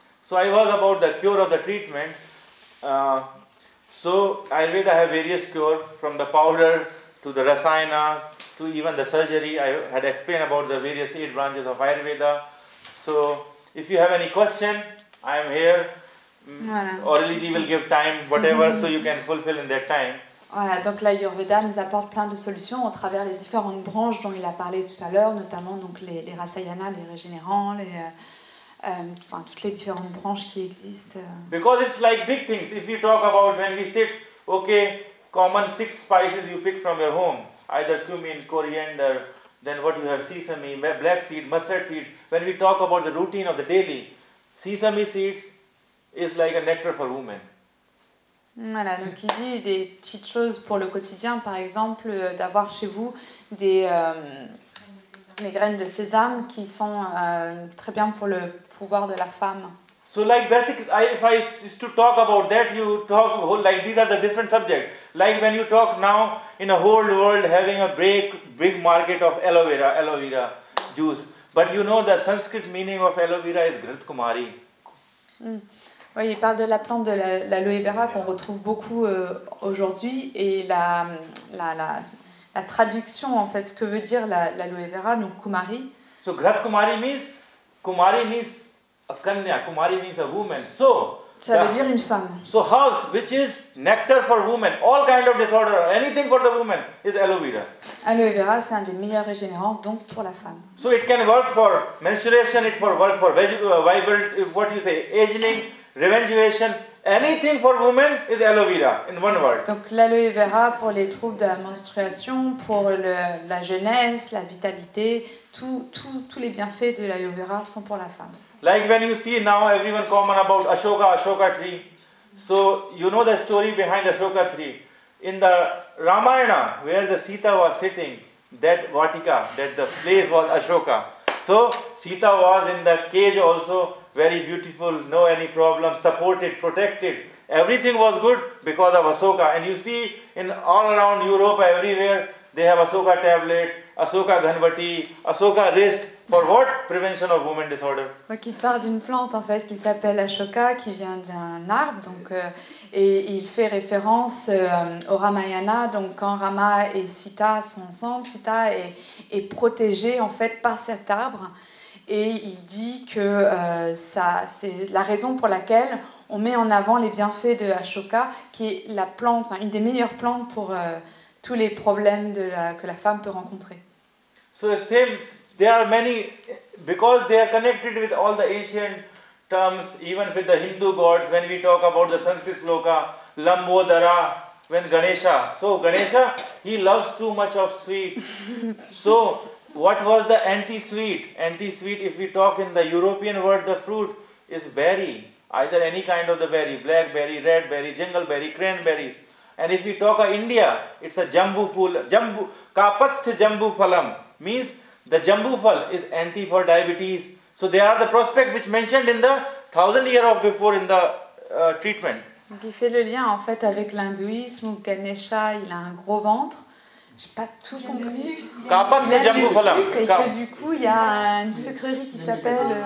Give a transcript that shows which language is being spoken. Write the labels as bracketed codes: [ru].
[en] So I was about the cure of the treatment. So Ayurveda have various cure, from the powder to the rasayana, to even the surgery. I had explained about the various 8 branches of Ayurveda. So, if you have any question, I am here. [fr] Voilà. [en] Or Lizzie will give time, whatever, so you can fulfill in that time. [fr] Voilà, donc l'Ayurveda nous apporte plein de solutions au travers les différentes branches dont il a parlé tout à l'heure, notamment donc les rasayana, les régénérants, enfin, toutes les différentes branches qui existent. [en] Because it's like big things. If you talk about when we sit, okay, common 6 spices you pick from your home. Either cumin, coriander, then what you have, sesame, black seed, mustard seed. When we talk about the routine of the daily, sesame seeds is like a nectar for women. [fr] Voilà, donc il dit des petites choses pour le quotidien, par exemple, d'avoir chez vous des graines de sésame qui sont très bien pour le pouvoir de la femme. [en] So like basic, if I is to talk about that, you talk like these are the different subjects. Like when you talk now in a whole world having a big market of aloe vera juice. But you know the Sanskrit meaning of aloe vera is Ghrit Kumari. Mm. [fr] Oui, il parle de la plante de l'aloe vera qu'on retrouve beaucoup aujourd'hui. Et la traduction, en fait, ce que veut dire l'aloe vera, donc Kumari. [en] So Ghrit Kumari means, Kumari means, a kanya, kumari means a woman. So [fr] ça veut dire une femme. [en] So house, which is nectar for women, all kind of disorder, anything for the woman, is aloe vera. [fr] Aloe vera, c'est un des meilleurs régénérants, donc pour la femme. [en] So it can work for menstruation, it can work for aging, rejuvenation, anything for women is aloe vera, in one word. [fr] Donc l'aloe vera pour les troubles de la menstruation, pour la jeunesse, la vitalité, tous les bienfaits de l'aloe vera sont pour la femme. [en] Like when you see now everyone common about Ashoka tree. So you know the story behind Ashoka tree. In the Ramayana, where the Sita was sitting, that vatika, that the place was Ashoka. So Sita was in the cage also, very beautiful, no any problem, supported, protected. Everything was good because of Ashoka. And you see in all around Europe, everywhere, they have Ashoka tablet, Ashoka ghanvati, Ashoka wrist. For what? Prevention of woman disorder. [fr] Donc il parle d'une plante en fait qui s'appelle Ashoka, qui vient d'un arbre, donc et il fait référence au Ramayana, donc quand Rama et Sita sont ensemble, Sita est protégée en fait par cet arbre, et il dit que ça c'est la raison pour laquelle on met en avant les bienfaits de Ashoka, qui est la plante, enfin, une des meilleures plantes pour tous les problèmes que la femme peut rencontrer. [en] So the same, there are many, because they are connected with all the ancient terms, even with the Hindu gods, when we talk about the Sanskrit sloka, Lambodara, when Ganesha. So Ganesha, he loves too much of sweet. So what was the anti-sweet? Anti-sweet, if we talk in the European word, the fruit is berry. Either any kind of the berry, blackberry, redberry, jungle berry, cranberry. And if we talk of India, it's a jambu phul, jambu, kapath jambu phalam, means the jambu phal is anti for diabetes. So there are the prospect which mentioned in the thousand year of before in the treatment. [fr] Donc il fait le lien en fait avec l'hindouisme où Ganesha il a un gros ventre. J'ai pas tout compris. [sa] Kapath jambu phalam. [fr] Et que du coup il y a une sucrerie qui s'appelle.